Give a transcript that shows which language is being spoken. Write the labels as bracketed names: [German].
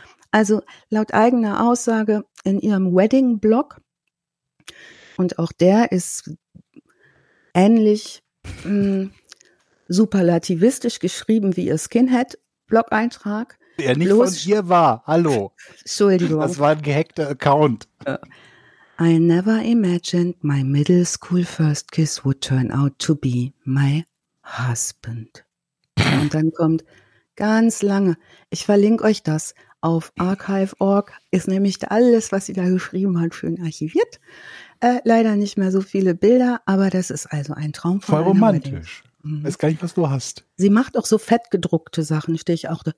[German] Also laut eigener Aussage in ihrem Wedding-Blog, und auch der ist ähnlich superlativistisch geschrieben wie ihr Skinhead-Blog-Eintrag. Der nicht bloß von dir war, hallo. Entschuldigung. Das war ein gehackter Account. Ja. [English] I never imagined my middle school first kiss would turn out to be my husband. [German] Und dann kommt ganz lange, ich verlinke euch das auf archive.org, ist nämlich alles, was sie da geschrieben hat, schön archiviert. Leider nicht mehr so viele Bilder, aber das ist also ein Traum von voll romantisch. Mhm. Weiß gar nicht, was du hast. Sie macht auch so fettgedruckte Sachen, stehe ich auch da.